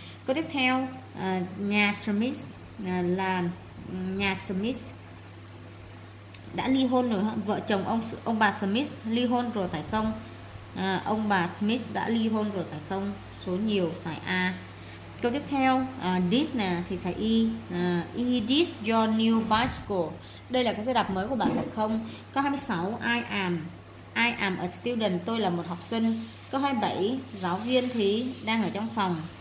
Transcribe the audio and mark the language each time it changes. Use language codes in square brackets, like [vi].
[vi] Câu tiếp theo, nhà Smith là nhà Smith đã ly hôn rồi, vợ chồng ông bà Smith ly hôn rồi phải không? Ông bà Smith đã ly hôn rồi phải không? Số nhiều xài a. Câu tiếp theo, this nè thì xài y. [en] Is this your new bicycle? [vi] Đây là cái xe đạp mới của bạn phải không? Câu 26, [en] I am a student, [vi] tôi là một học sinh. Câu 27, giáo viên thì đang ở trong phòng.